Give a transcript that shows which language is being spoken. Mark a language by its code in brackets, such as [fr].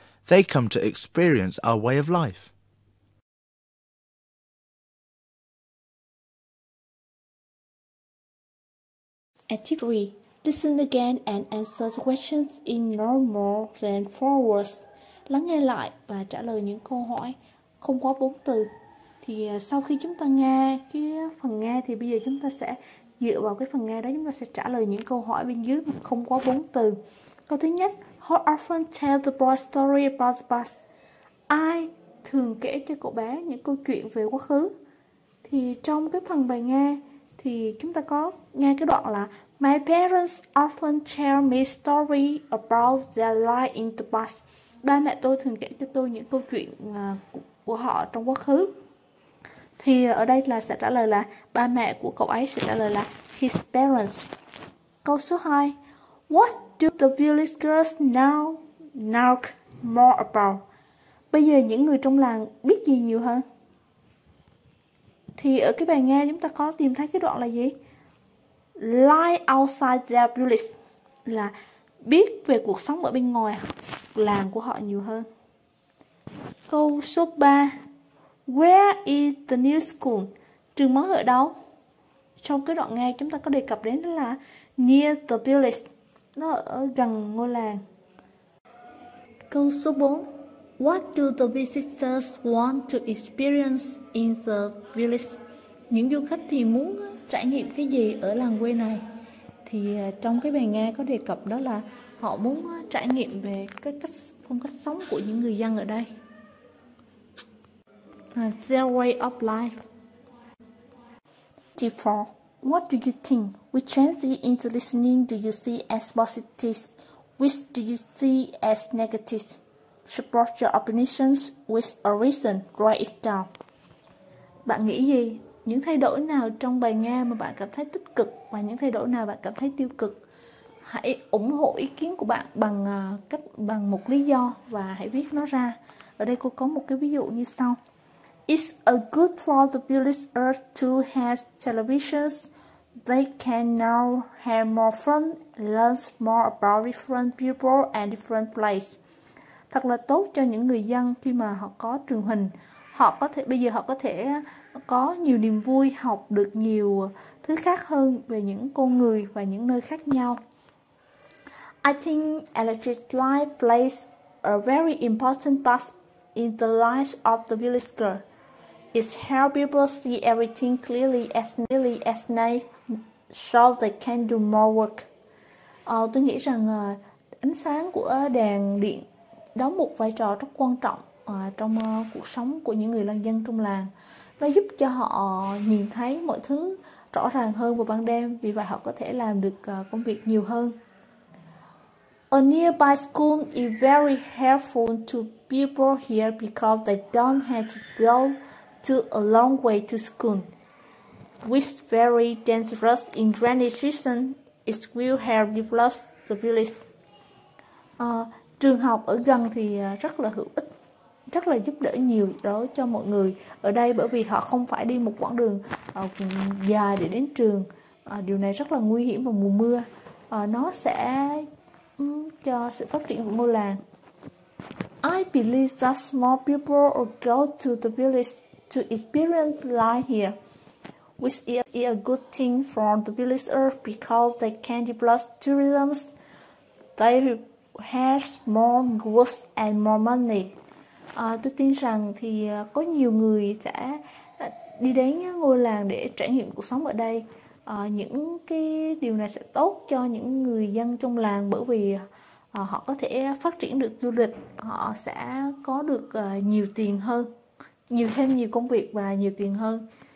[en] They come to experience our way of life. Activity 3. Listen again and answer questions in no more than 4 words. [vi] Lắng nghe lại và trả lời những câu hỏi không quá 4 từ. Thì sau khi chúng ta nghe cái phần nghe thì bây giờ chúng ta sẽ dựa vào cái phần nghe đó chúng ta sẽ trả lời những câu hỏi bên dưới không quá 4 từ. Câu thứ nhất, [en] how often tell the boy story about the past? [vi] Ai thường kể cho cậu bé những câu chuyện về quá khứ? Thì trong cái phần bài nghe thì chúng ta có nghe cái đoạn là [en] my parents often tell me story about their life in the past. [vi] Ba mẹ tôi thường kể cho tôi những câu chuyện của họ trong quá khứ. Thì ở đây là sẽ trả lời là ba mẹ của cậu ấy sẽ trả lời là [en] his parents. [vi] Câu số 2, [en] what do the village girls now know more about? [vi] Bây giờ những người trong làng biết gì nhiều hơn? Thì ở cái bài nghe chúng ta có tìm thấy cái đoạn là gì? [en] Life outside their village, [vi] là biết về cuộc sống ở bên ngoài làng của họ nhiều hơn. Câu số 3, [en] where is the new school? [vi] Trường mới ở đâu? Trong cái đoạn nghe chúng ta có đề cập đến là [en] near the village, [vi] nó ở gần ngôi làng. Câu số 4, [en] what do the visitors want to experience in the village? [vi] Những du khách thì muốn trải nghiệm cái gì ở làng quê này? Thì trong cái bài nghe có đề cập đó là họ muốn trải nghiệm về cái cách phong cách sống của những người dân ở đây. [en] Their way of life. Therefore, what do you think? Which change in the listening do you see as positive? Which do you see as negative? Support your opinions with a reason. Write it down. [vi] Bạn nghĩ gì? Những thay đổi nào trong bài nghe mà bạn cảm thấy tích cực và những thay đổi nào bạn cảm thấy tiêu cực? Hãy ủng hộ ý kiến của bạn bằng một lý do và hãy viết nó ra. Ở đây cô có một cái ví dụ như sau. [en] It's a good for the village earth to have televisions. They can now have more fun, learn more about different people and different places. [vi] Thật là tốt cho những người dân khi mà họ có truyền hình. Bây giờ họ có thể có nhiều niềm vui, học được nhiều thứ khác hơn về những con người và những nơi khác nhau. [en] I think electric light plays a very important part in the life of the village girl. It helps people see everything clearly as nearly as night so they can do more work. [vi] Tôi nghĩ rằng ánh sáng của đèn điện đóng một vai trò rất quan trọng trong cuộc sống của những người lang dân trong làng. Nó giúp cho họ nhìn thấy mọi thứ rõ ràng hơn vào ban đêm, vì vậy họ có thể làm được công việc nhiều hơn. [en] A nearby school is very helpful to people here because they don't have to go to a long way to school. With very dangerous in rainy season, it will help develop the village. [vi] Trường học ở gần thì rất là hữu ích, rất là giúp đỡ nhiều đó cho mọi người ở đây, bởi vì họ không phải đi một quãng đường dài để đến trường. Điều này rất là nguy hiểm vào mùa mưa. Nó sẽ cho sự phát triển của ngôi làng. [en] I believe that small people will go to the village to experience life here, which is a good thing for the villagers because they can develop tourism, they have more goods and more money. [vi] Tôi tin rằng thì có nhiều người sẽ đi đến ngôi làng để trải nghiệm cuộc sống ở đây. Những cái điều này sẽ tốt cho những người dân trong làng bởi vì họ có thể phát triển được du lịch, họ sẽ có được nhiều tiền hơn, nhiều thêm nhiều công việc và nhiều tiền hơn.